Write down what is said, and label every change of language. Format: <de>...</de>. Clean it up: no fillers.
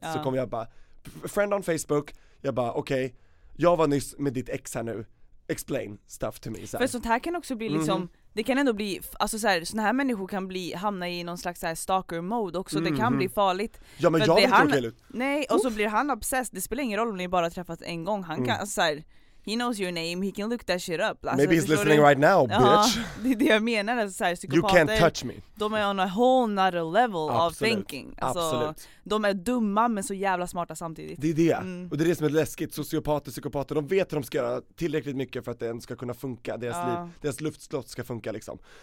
<sv>Ja. Så kommer jag bara,</sv> <en>friend on Facebook.</en> <sv>Jag bara, okej, okay, jag var nyss med ditt ex här nu.</sv> <en>Explain stuff to me. Så</en> <sv>för sånt här kan också bli liksom... Mm-hmm. Det kan ändå bli, alltså så här, såna här människor kan bli hamna i någon slags så här stalker mode också. Mm-hmm. Det kan bli farligt. Ja, men för jag vet han, inte ut. Nej, och så blir han obsessed. Det spelar ingen roll om ni bara träffats en gång. Han kan, alltså så här,</sv> <en>he knows your name, he can look that shit up.</en> <sv>Alltså,</sv> <en>maybe he's listening right now, bitch.</en> <sv>Ja, det är det jag menar. Alltså, så här, psykopater,</sv> <en>you can't touch me.</en> <sv>De är</sv> <en>on a whole nother level</en> <sv>absolut.</sv> <en>Of thinking.</en> <sv>Alltså, de är dumma men så jävla smarta samtidigt. Det är det. Mm. Och det är det som är läskigt. Sociopater, psykopater, de vet hur de ska göra tillräckligt mycket för att det ska kunna funka. Deras liv, deras luftslott ska funka liksom.</sv>